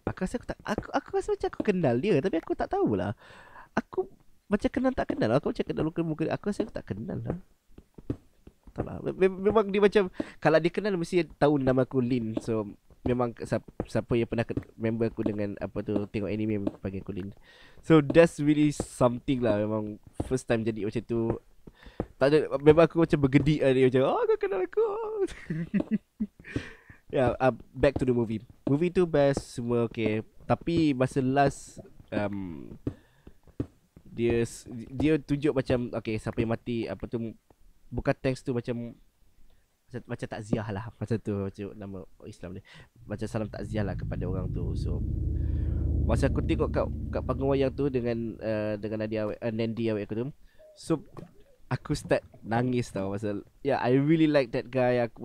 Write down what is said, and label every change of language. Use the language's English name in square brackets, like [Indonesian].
[Malay] Aku rasa macam aku kenal dia, tapi aku tak tahulah. Aku macam kenal tak kenal. Aku macam kenal muka. Aku rasa aku tak kenal lah. Taklah. Memang dia macam, kalau dia kenal mesti tahu nama aku Lin. So memang siapa yang pernah member aku dengan apa tu tengok anime panggil aku Lin. [English] So that's really something lah. [Malay] Memang first time jadi macam tu. Tak ada, memang aku macam bergedik lah. Dia macam, oh kau kenal aku. [English] Yeah, back to the movie. [Malay] Movie tu best, semua okay. Tapi masa last, dia tunjuk macam, okay, siapa yang mati, apa tu, bukan thanks tu, macam takziah lah. Macam tu, macam nama Islam ni. Macam salam takziah lah kepada orang tu. So, masa aku tengok kat panggung wayang tu dengan Nandi awet aku tu. So, aku start nangis tau. Masa, [English] yeah, I really like that guy.